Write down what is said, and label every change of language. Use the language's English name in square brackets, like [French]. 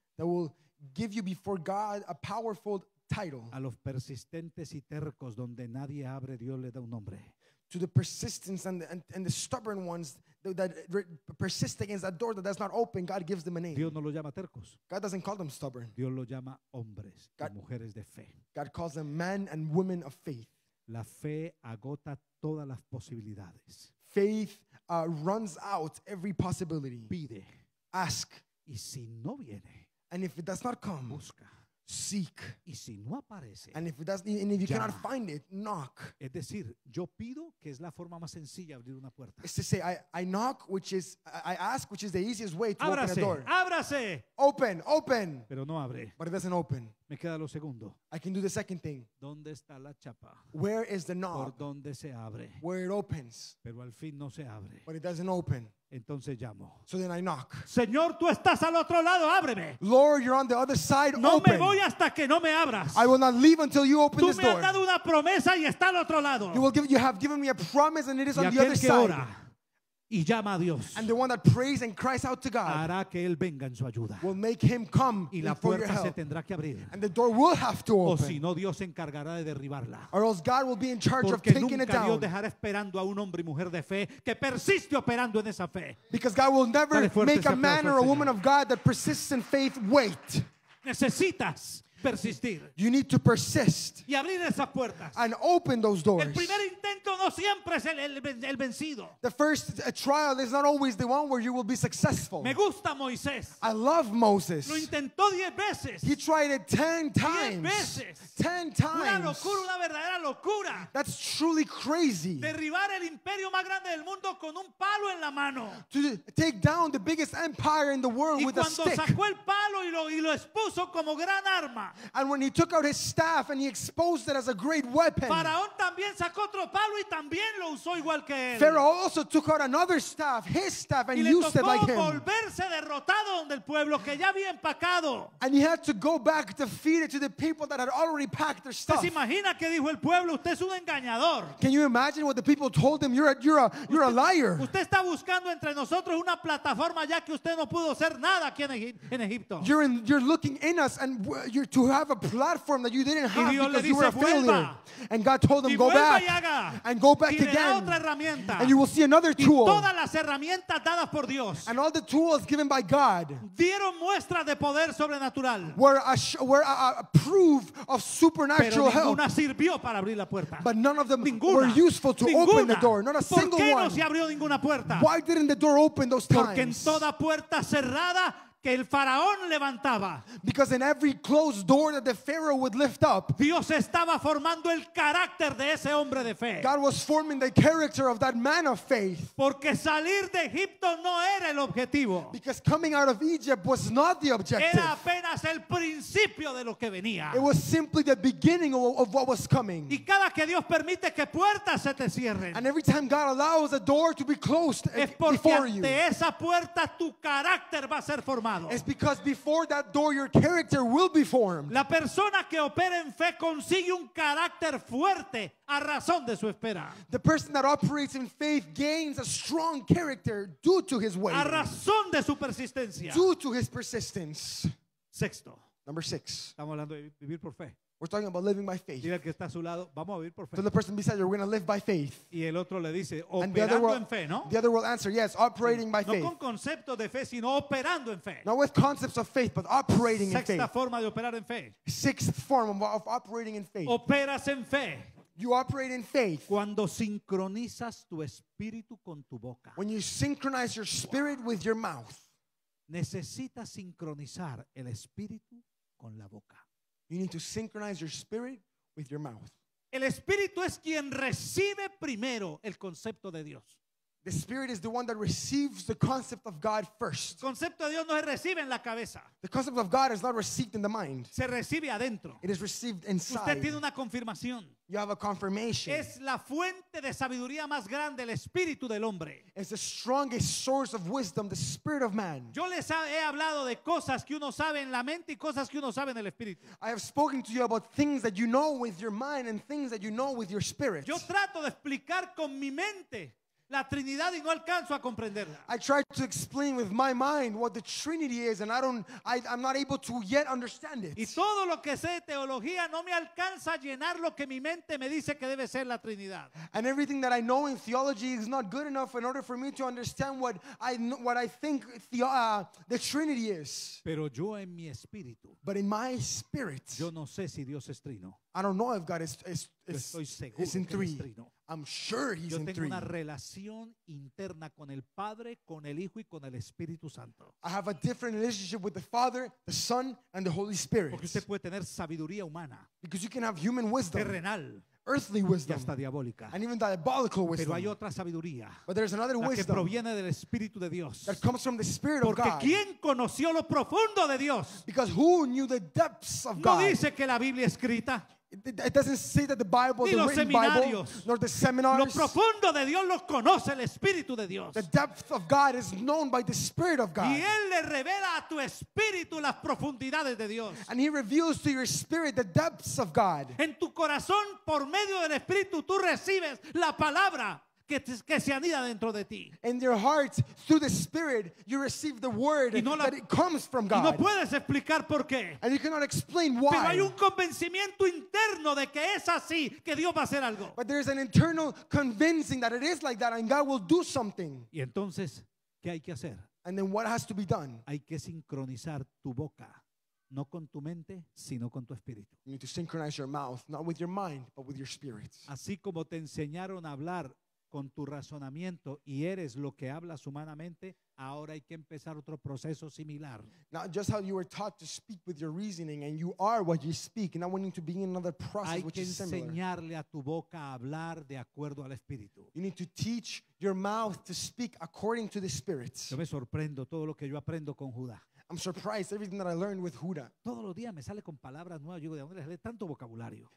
[English] That will give you before God a powerful title. [Spanish] A los persistentes y tercos donde nadie abre, Dios le da un nombre. [English] To the persistents and the stubborn ones that persist against that door that does not open, God gives them a name. [Spanish] Dios no los llama tercos. [English] God doesn't call them stubborn. [Spanish] Dios los llama hombres, mujeres de fe. [English] God calls them men and women of faith. [Spanish] La fe agota todas las posibilidades. [English] Faith runs out every possibility. [Spanish] Pide. [English] Ask. [Spanish] Y si no viene. [English] And if it does not come. [Spanish] Busca. [English] Seek. [Spanish] Y si no aparece, [English] and if it doesn't, and if you cannot find it, knock. [Spanish] Es decir, yo pido, que es la forma más sencilla de abrir una puerta. [English] It's to say, I ask, which is the easiest way to [Spanish] ábrase, [English] open a door. [Spanish] Ábrase. [English] Open, open. [Spanish] Pero no abre. [English] But it doesn't open. [Spanish] Me queda lo segundo. [English] I can do the second thing. [Spanish] ¿Dónde está la chapa? [English] Where is the knob? [Spanish] Por donde se abre. [English] Where it opens. [Spanish] Pero al fin no se abre. [English] But it doesn't open. [Spanish] Entonces llamo. [English] So then I knock. [Spanish] Señor, tú estás al otro lado, ábreme. [English] Lord, you're on the other side, [Spanish] no [English] open. [Spanish] No me voy hasta que no me abras. [English] I will not leave until you open [Spanish] tú [English] this door. [Spanish] Tú me has dado una promesa y está al otro lado. [English] You have given me a promise and it is [Spanish] y [English] on the other [Spanish] que [English] side. [Spanish] Ora y llama a Dios. [English] And the one that prays and cries out to God. [Spanish] Hará que él venga en su ayuda. [English] Will make him come. [Spanish] Y la puerta se tendrá que abrir. [English] And the door will have to open. [Spanish] O si no, Dios se encargará de derribarla. [English] Or else God will be in charge [Spanish] porque [English] of taking [Spanish] nunca [English] it down. [Spanish] Dios dejará esperando a un hombre y mujer de fe que persiste operando en esa fe. [English] Because God will never make a man or a woman of God that persists in faith wait. [Spanish] Necesitas persistir. [English] You need to persist. [Spanish] Y abrir esas puertas. [English] And open those doors. [Spanish] El primer intento no siempre es el vencido. [English] The first trial is not always the one where you will be successful. [Spanish] Me gusta Moisés. [English] I love Moses. [Spanish] Lo intentó 10 veces. [English] He tried it 10 times. [Spanish] 10 veces. [English] 10 times. [Spanish] Una locura, una verdadera locura. [English] That's truly crazy. [Spanish] Derribar el imperio más grande del mundo con un palo en la mano. [English] To take down the biggest empire in the world [Spanish] y [English] with a stick. [Spanish] Y cuando sacó el palo y lo expuso como gran arma. [English] And when he took out his staff and he exposed it as a great weapon. [Spanish] Faraón también sacó otro palo y también lo usó igual que él. [English] Pharaoh also took out another staff, his staff, and used it like him. [Spanish] Y le tocó volverse derrotado donde el pueblo que ya había empacado. [English] And he had to go back defeated to the people that had already packed their stuff. [Spanish] ¿Se imagina qué dijo el pueblo? Usted es un engañador. [English] Can you imagine what the people told him? You're a liar. [Spanish] Usted está buscando entre nosotros una plataforma ya que usted no pudo hacer nada aquí en Egipto. [English] You're looking in us and you're to have a platform that you didn't have because [Spanish] dice, [English] you were a failure. [Spanish] Vuelva. [English] And God told them, go back. And go back again. And you will see another tool. [Spanish] Y todas las herramientas dadas por Dios. [English] And all the tools given by God [Spanish] dieron muestra de poder sobrenatural. [English] were a proof of supernatural [Spanish] pero ninguna [English] help. [Spanish] Sirvió para abrir la puerta. [English] But none of them [Spanish] ninguna. [English] Were useful to [Spanish] ninguna. [English] Open the door. Not a single [Spanish] ¿por qué [English] one. [Spanish] No se abrió ninguna puerta? [English] Why didn't the door open those [Spanish] porque [English] times? [Spanish] En toda puerta cerrada, que el faraón levantaba. [English] Because in every closed door that the Pharaoh would lift up, [Spanish] Dios estaba formando el carácter de ese hombre de fe. [English] God was forming the character of that man of faith. [Spanish] Porque salir de Egipto no era el objetivo. [English] Because coming out of Egypt was not the objective. [Spanish] Era apenas el principio de lo que venía. [English] It was simply the beginning of what was coming. [Spanish] Y cada que Dios permite que puertas se te cierren, [English] and every time God allows a door to be closed before you, [Spanish] es porque ante esa puerta tu carácter va a ser formado. [English] It's because before that door, your character will be formed. [Spanish] La persona que opera en fe consigue un carácter fuerte a razón de su espera. [English] The person that operates in faith gains a strong character due to his way. [Spanish] A razón de su persistencia. [English] Due to his persistence. [Spanish] Sexto. [English] Number six. [Spanish] Estamos hablando de vivir por fe. [English] We're talking about living by faith. [Spanish] Dile que está a su lado, vamos a vivir por fe. [English] To the person beside you, we're going to live by faith. [Spanish] Y el otro le dice, operando en fe, ¿no? [English] The other will answer, yes, operating by faith. [Spanish] No con concepto de fe, sino operando en fe. [English] Not with concepts of faith, but operating in faith. [Spanish] Sexta forma de operar en fe. [English] Sixth form of operating in faith. [Spanish] Operas en fe. [English] You operate in faith. [Spanish] Cuando sincronizas tu espíritu con tu boca. [English] When you synchronize your spirit with your mouth. [Spanish] Necesitas sincronizar el espíritu con la boca. [English] You need to synchronize your spirit with your mouth. [Spanish] El espíritu es quien recibe primero el concepto de Dios. [English] The spirit is the one that receives the concept of God first. [Spanish] El concepto de Dios no se recibe en la cabeza. [English] The concept of God is not received in the mind. [Spanish] Se recibe adentro. [English] It is received inside. [Spanish] Usted tiene una confirmación. [English] You have a confirmation. [Spanish] Es la fuente de sabiduría más grande, el espíritu del hombre. [English] It's the strongest source of wisdom, the spirit of man. [Spanish] Yo les he hablado de cosas que uno sabe en la mente y cosas que uno sabe en el espíritu. [English] I have spoken to you about things that you know with your mind and things that you know with your spirit. [Spanish] Yo trato de explicar con mi mente la Trinidad y no alcanzo a comprenderla. [English] I try to explain with my mind what the Trinity is and I'm not able to yet understand it. [Spanish] Y todo lo que sé de teología no me alcanza a llenar lo que mi mente me dice que debe ser la Trinidad. [English] And everything that I know in theology is not good enough in order for me to understand what I think the Trinity is. [Spanish] Pero yo en mi espíritu. [English] But in my spirit. [Spanish] Yo no sé si Dios es trino. [English] I don't know if God is in three. I'm sure he's [Spanish] yo tengo [English] in three. [Spanish] Una relación interna con el Padre, con el Hijo y con el Espíritu Santo. [English] I have a different relationship with the Father, the Son, and the Holy Spirit. [Spanish] Porque usted puede tener sabiduría humana. [English] Because you can have human wisdom. [Spanish] Terrenal. [English] Earthly wisdom. [Spanish] Y hasta diabólica. [English] And even diabolical wisdom. [Spanish] Pero hay otra sabiduría. [English] But there's another [Spanish] la [English] wisdom. [Spanish] Que proviene del Espíritu de Dios. [English] That comes from the Spirit [Spanish] porque [English] of God. [Spanish] Porque ¿quién conoció lo profundo de Dios? [English] Because who knew the depths of [Spanish] no [English] God? [Spanish] No dice que la Biblia escrita. [English] It doesn't say that the Bible, [Spanish] ni [English] the written Bible, nor the seminars. [Spanish] Lo profundo de Dios lo conoce el Espíritu de Dios. [English] The depth of God is known by the Spirit of God. [Spanish] Y Él le revela a tu espíritu las profundidades de Dios. [English] And He reveals to your spirit the depths of God. [Spanish] En tu corazón, por medio del Espíritu, tú recibes la palabra que se anida dentro de ti. [English] In your heart, through the Spirit, you receive the word that it comes from God. [Spanish] Y no puedes explicar por qué. [English] And you cannot explain why. [Spanish] Pero hay un convencimiento interno de que es así, que Dios va a hacer algo. [English] But there is an internal convincing that it is like that and God will do something. [Spanish] Y entonces, ¿qué hay que hacer? [English] And then what has to be done? [Spanish] Hay que sincronizar tu boca, no con tu mente, sino con tu espíritu. [English] You need to synchronize your mouth, not with your mind, but with your spirit. [Spanish] Así como te enseñaron a hablar con tu razonamiento y eres lo que hablas humanamente, ahora hay que empezar otro proceso similar. [English] Not just how you were taught to speak with your reasoning and you are what you speak, now we need to begin another process which is similar. [Spanish] Hay que enseñarle a tu boca a hablar de acuerdo al espíritu. [English] You need to teach your mouth to speak according to the spirit. [Spanish] Yo me sorprendo todo lo que yo aprendo con Judá. [English] I'm surprised everything that I learned with Huda. [Spanish] Todos los días me sale con palabras nuevas. Yo digo, ¿de dónde le sale tanto vocabulario?